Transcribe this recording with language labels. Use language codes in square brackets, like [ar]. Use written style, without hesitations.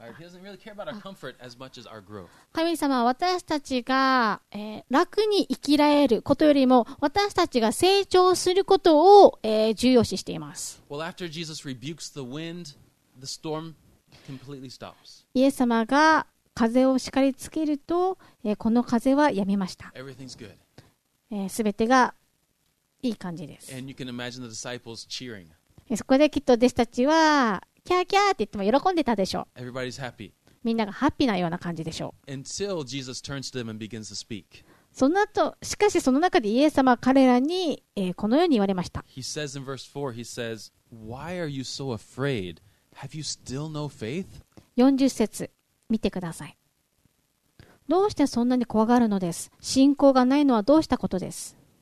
[en] He doesn't really care about our comfort as much as our growth. [ja] 神様は私たちが、楽に生きられることよりも私たちが成長することを、重要視しています。 [en] Well, after Jesus rebukes the wind, the storm completely stops. [ja] イエス様が風を叱りつけると、この風は止みました。 [en] Everything's good. [ja] 全てがいい感じです。 [en] And you can imagine the disciples cheering. [ja] そこできっと弟子たちはキャーキャーって言っても喜んでたでしょう。 [en] Everybody's happy. [ja] みんながハッピーなような感じでしょう。 [en] Until Jesus turns to them and begins to speak. [ja] その後、しかしその中でイエス様は彼らに、このように言われました。 [en] He says in verse 4, he says, Why are you so afraid? Have you still no faith? [ja] 40節見てください。どうしてそんなに怖がるのです。信仰がないのはどうしたことです。